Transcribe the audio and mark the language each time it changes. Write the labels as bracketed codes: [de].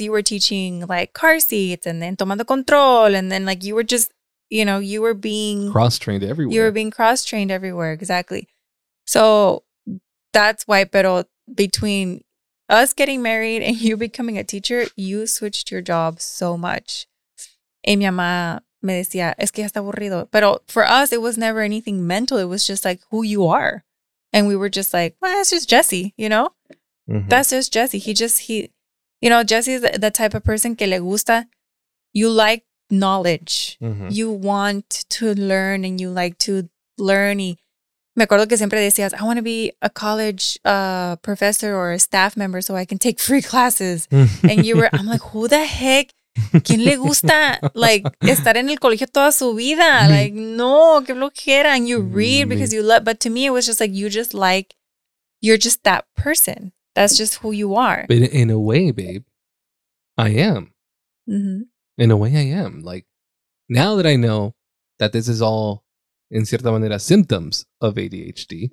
[en] You were teaching like car seats and then [es] tomando control. [en] And then like you were just, you know, you were being cross-trained everywhere. You were being cross-trained everywhere. Exactly. So that's why, pero between us getting married and you becoming a teacher, you switched your job so much. [es] Y mi mamá me decía, es que ya está aburrido. [en] Pero for us, it was never anything mental. It was just like who you are. And we were just like, well, that's just Jesse, you know? Mm-hmm. That's just Jesse. He, you know, Jesse is the type of person [es] que le gusta, [en] you like knowledge. Mm-hmm. You want to learn and you like to learn. [es] Y me acuerdo que siempre decías, [en] I want to be a college professor or a staff member so I can take free classes. And you were, I'm like, who the heck? [es] ¿Quién le gusta like estar en el colegio toda su vida? [en] Me. Like, [es] no, que flojera. [en] And you read because you love. But to me, it was just like, you just like, you're just that person. That's just who you are. But in a way, babe, I am. Mm-hmm. In a way, I am. Like, now that I know that this is all, in [es] cierta manera, [en] symptoms of ADHD.